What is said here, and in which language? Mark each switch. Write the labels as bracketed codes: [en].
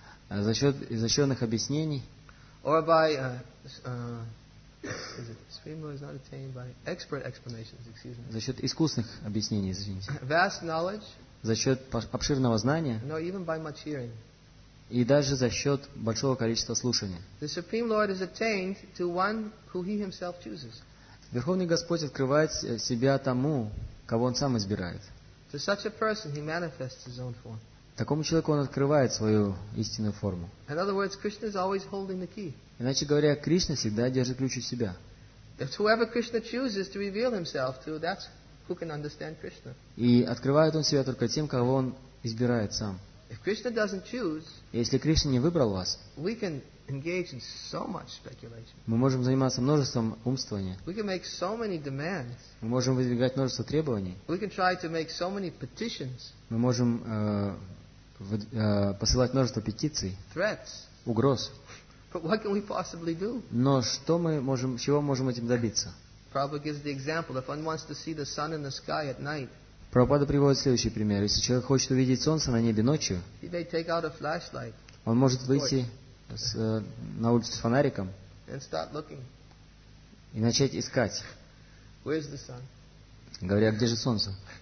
[ru] за счет изощренных объяснений, [en] or by is it Supreme Lord is not attained by expert explanations, excuse me. [ru] За счет искусных объяснений, извините. [en] Vast knowledge, [ru] за счет обширного знания, [en] nor even by much hearing. [ru] И даже за счет большого количества слушания. [en] The Supreme Lord is attained to one who he himself chooses. [ru] Верховный Господь открывает себя тому, кого он сам избирает. [en] To such a person he manifests his own form. [ru] Такому человеку он открывает свою истинную форму. [en] In other words, Krishna is always holding the key. [ru] Иначе говоря, Кришна всегда держит ключ у себя. [en] It's whoever Krishna chooses to reveal himself to, that's who can understand Krishna. [ru] И открывает он себя только тем, кого он избирает сам. [en] If Krishna doesn't choose, [ru] если Кришна не выбрал вас, [en] we can engage in so much speculation. [ru] Мы можем заниматься множеством умствования. [en] We can make so many demands. [ru] Мы можем выдвигать множество требований. [en] We can try to make so many petitions. [ru] Мы можем посылать множество петиций. [en] Threats. [ru] Угроз. [en] But what can we possibly do? [ru] Но что мы можем, чего можем этим добиться? [en] Prabhupada gives the example. If one wants to see the sun in the sky at night, [ru] Прабхупада приводит следующий пример. Если человек хочет увидеть солнце на небе ночью, он может выйти на улицу с фонариком и начать искать, говоря, где же солнце.